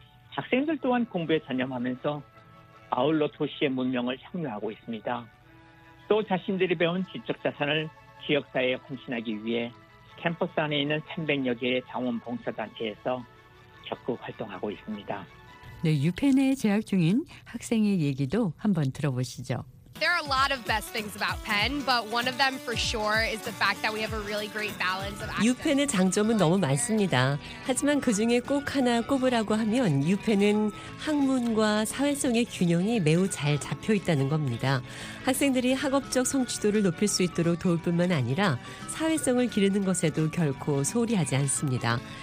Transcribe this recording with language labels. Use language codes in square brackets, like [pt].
[ko] 학생들 또한 공부에 전념하면서 아울러 도시의 문명을 향유하고 있습니다. 또 자신들이 배운 지적 자산을 지역사회에 헌신하기 위해 캠퍼스 안에 있는 300여 개의 자원봉사단체에서 적극 활동하고 있습니다. 네, 유펜에 재학 중인 학생의 얘기도 한번 들어보시죠. [en] There are a lot of best things about Penn, but one of them for sure is the fact that we have a really great balance of. [ko] 유펜의 장점은 너무 많습니다. 하지만 그 중에 꼭 하나 꼽으라고 하면 유펜은 학문과 사회성의 균형이 매우 잘 잡혀 있다는 겁니다. 학생들이 학업적 성취도를 높일 수 있도록 도울 뿐만 아니라 사회성을 기르는 것에도 결코 소홀히 하지 않습니다.